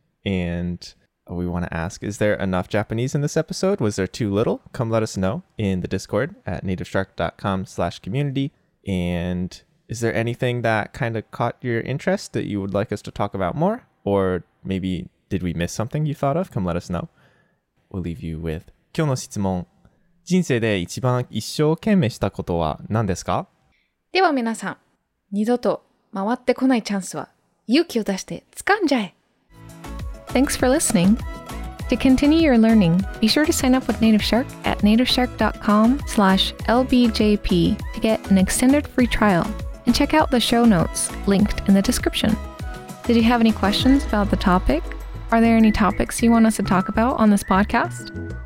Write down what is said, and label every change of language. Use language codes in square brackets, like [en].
[en] And we want to ask, is there enough Japanese in this episode? Was there too little? Come let us know in the Discord at nativeshark.com/community. And is there anything that kind of caught your interest that you would like us to talk about more? Or maybe did we miss something you thought of? Come let us know. We'll leave you with [ja] 今日の質問。人生で一番一生懸命したことは何ですか？では皆さん、二度と回ってこないチャンスは勇気を出して掴んじゃえ。 [en] Thanks for listening. To continue your learning, be sure to sign up with Native Shark at nativeshark.com/lbjp to get an extended free trial and check out the show notes linked in the description. Did you have any questions about the topic? Are there any topics you want us to talk about on this podcast?